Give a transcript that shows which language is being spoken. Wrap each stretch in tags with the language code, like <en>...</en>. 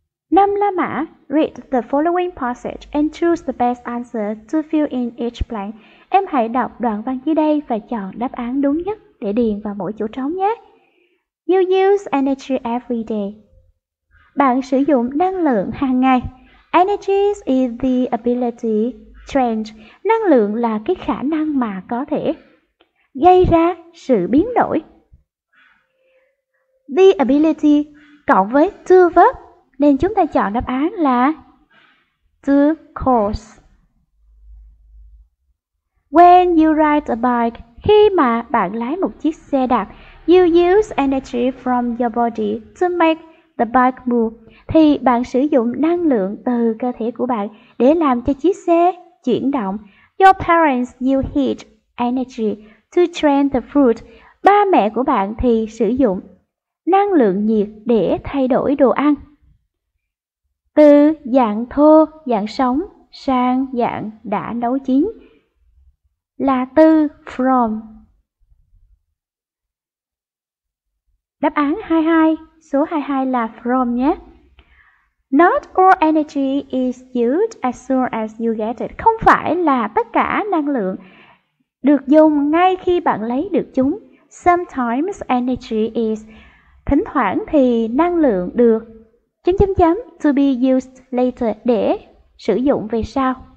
<vi>Năm La Mã,</vi> <en>read the following passage and choose the best answer to fill in each blank.</en> <vi>Em hãy đọc đoạn văn dưới đây và chọn đáp án đúng nhất để điền vào mỗi chỗ trống nhé.</vi> <en>You use energy every day.</en> <vi>Bạn sử dụng năng lượng hàng ngày.</vi> <en>Energy is the ability to change.</en> <vi>Năng lượng là cái khả năng mà có thể gây ra sự biến đổi.</vi> <en>The ability</en> <vi>cộng với to verb. Nên chúng ta chọn đáp án là to cause.</vi> <en>When you ride a bike,</en> <vi>khi mà bạn lái một chiếc xe đạp,</vi> <en>you use energy from your body to make the bike move.</en> <vi>Thì bạn sử dụng năng lượng từ cơ thể của bạn để làm cho chiếc xe chuyển động.</vi> <en>Your parents use heat energy to train the fruit.</en> <vi>Ba mẹ của bạn thì sử dụng năng lượng nhiệt để thay đổi đồ ăn. Từ dạng thô, dạng sống sang dạng đã nấu chín là từ from. Đáp án 22, số 22 là from nhé.</vi> <en>Not all energy is used as soon as you get it.</en> <vi>Không phải là tất cả năng lượng được dùng ngay khi bạn lấy được chúng.</vi> <en>Sometimes energy is,</en> <vi>thỉnh thoảng thì năng lượng được</vi> <en>to be used later,</en> <vi>để sử dụng về sau.</vi>